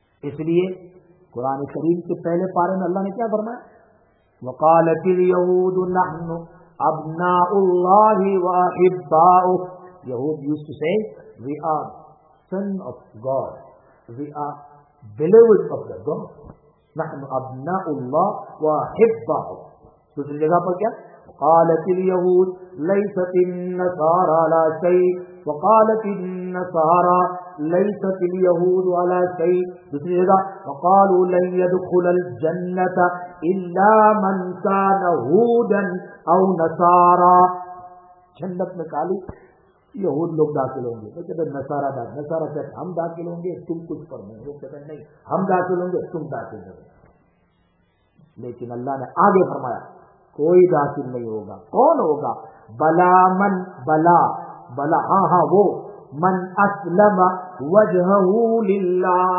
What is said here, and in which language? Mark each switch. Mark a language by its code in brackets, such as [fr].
[ur] اس لیے قرآن کریم کے پہلے پارے میں اللہ نے کیا فرمایا، [ar] وقالت الیہود نحن ابناء اللہ واحباؤه، [ur] یہود یوسف سے [en] we are sons of God, we are believers of the God, [ar] نحن ابناء اللہ واحباؤه. [ur] دوسری جگہ پر کیا، [ar] قالت اليهود ليست النصارى على شيء، وقالت النصارى ليست اليهود على شيء. [ur] دوسری جگہ، [ar] وقالوا لن يدخل الجنة الا من كان هودا او نصارى. [ur] جنت میں خالی یہود لوگ داخل ہوں گے، وہ کہتے نصارى داخل، نصارى کہتے ہم داخل ہوں گے تم کچھ پر نہیں، وہ کہتے نہیں ہم داخل ہوں گے تم داخل ہوں گے. لیکن اللہ نے آگے فرمایا کوئی داخل نہیں ہوگا، کون ہوگا، بلا من، بلا بلا ہاں ہاں وہ، [ar] من اسلم وجهه للہ،